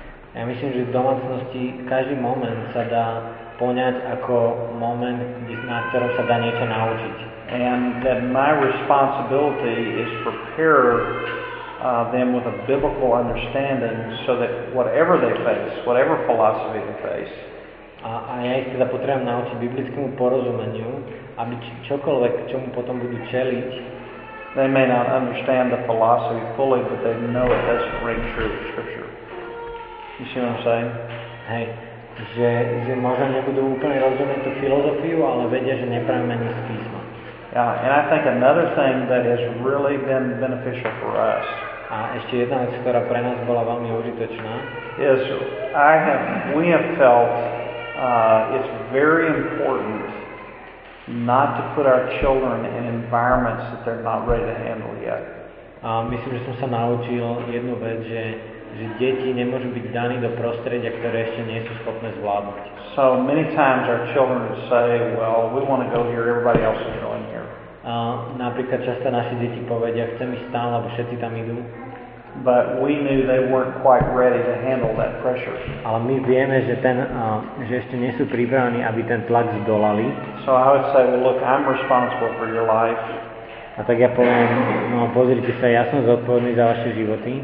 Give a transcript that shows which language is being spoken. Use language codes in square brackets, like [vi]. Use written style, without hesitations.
[sk] Ja myslím, že v domácnosti každý moment sa dá poňať ako moment, na ktorom sa dá niečo naučiť. [en] And that my responsibility is prepare them with a biblical understanding so that whatever they face, whatever philosophy they face. [sk] A ja ich teda potrebujem naučiť biblickému porozumeniu, aby čokoľvek, čomu potom budú čeliť, [en] they may not understand the philosophy fully, but they know it doesn't ring true with scripture. You see what I'm saying? [sk] Hey, že možno nebudú úplne rozumieť tú filozofiu, ale vedia, že nepramení z písma. [en] Yeah, and I think another thing that has really been beneficial for us. [sk] A ešte jedna vec, ktorá pre nás bola veľmi užitočná. [en] Is we have felt it's very important not to put our children in environments that they're not ready to handle yet. [sk] Myslím, že som sa naučil jednu vec, že deti nemôžu byť dané do prostredia, ktoré ešte nie sú schopné zvládnuť. [en] So many times our children say, well, we want to go here, everybody else is going here. [sk] Napríklad často naše deti povedia, chcem ísť tam, lebo všetci tam idú. [en] But we knew they weren't quite ready to handle that pressure. [sk] Ale my vieme, že ten, že ešte nie sú pripravení, aby ten tlak zdolali. [en] So I would say, well, look, I'm responsible for your life. [sk] A tak ja poviem, no pozrite sa, ja som zodpovedný za vaše životy.